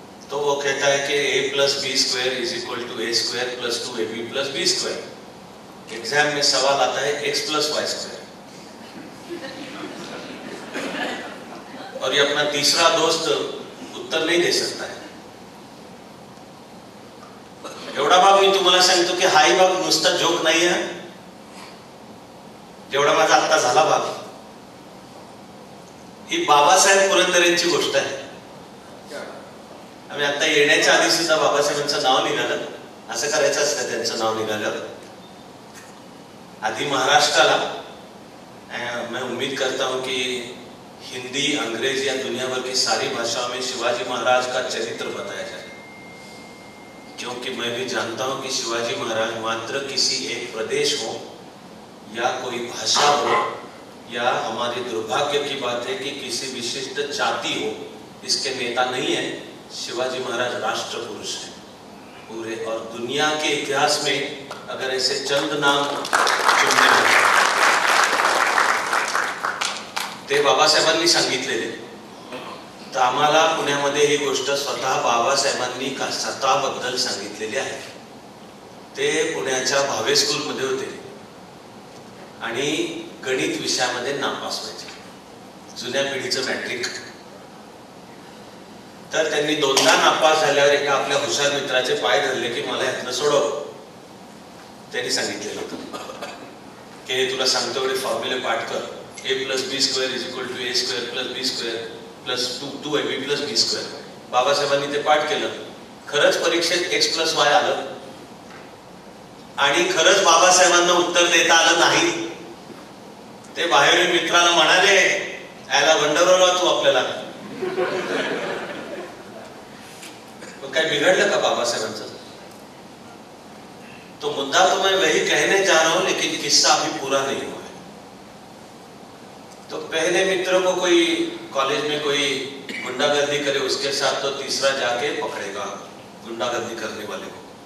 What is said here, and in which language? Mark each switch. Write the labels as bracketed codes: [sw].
[hi] तो वो कहता है कि A+B² = A² + 2AB + B² exam में सवाल आता है X+Y² और ये अपना तीसरा दोस्त उत्तर नहीं दे सकता है। [mr] एवढा बाबा मी तुम्हाला सांगतो की हाई बाब नुसता जोक नाही आहे, जेवढा माझा आता झाला बाब ही बाबासाहेब पुरंदरेंची गोष्ट आहे। आम्ही आता येण्याच्या आधी सुद्धा बाबासाहेबांचं नाव निघालं, असं करायचं असतं त्यांचं नाव निघालं। आधी महाराष्ट्राला [hi] मैं उम्मीद करता हूं कि हिंदी, अंग्रेजी या दुनियाभर की सारी भाषाओं में शिवाजी महाराज का चरित्र बताया जाए, क्योंकि मैं भी जानता हूं कि शिवाजी महाराज मात्र किसी एक प्रदेश हो या कोई भाषा हो या हमारे दुर्भाग्य की बात है कि किसी विशिष्ट जाति हो इसके नेता नहीं है, शिवाजी महाराज राष्ट्र पुरुष है पूरे और दुनिया के इतिहास में अगर ऐसे चंद नाम चुनने [mr] ते बाबा साहेबांनी सांगितलेले, तो आम्हाला पुण्यामध्ये ही गोष्ट स्वतः बाबा साहेबांनी स्वतःबद्दल सांगितलेली आहे। ते पुण्याच्या भावे स्कूल मध्ये होते आणि गणित विषयामध्ये नापास व्हायचे, जुन्या पिढीचं मॅट्रिक, तर त्यांनी दोनदा नापास झाल्यावर एका आपल्या हुशार मित्राचे पाय धरले की मला यातनं सोडव, त्यांनी सांगितलेलं होतं की तुला सांगतो एवढे फॉर्म्युले पाठ कर, A+B² = A² + B² + 2AB + B² बाबासाहेबांनी ते पाठ केलं, खरंच परीक्षेत X+Y आलं आणि खरच बाबासाहेबांना उत्तर देता आलं नाही. ते बाहेरून मित्राला म्हणाले, आयला वंडरवा तू आपल्याला. काय बिघडलं का बाबासाहेबांचं? [hi] तो मुद्दा तो मैं वही कहने जा रहा हूं, लेकिन किस्सा अभी पूरा नहीं हुआ है. तो पहले मित्र को कोई कॉलेज में कोई गुंडागर्दी करे उसके साथ, तो तीसरा जाके पकड़ेगा गुंडागर्दी करने वाले को.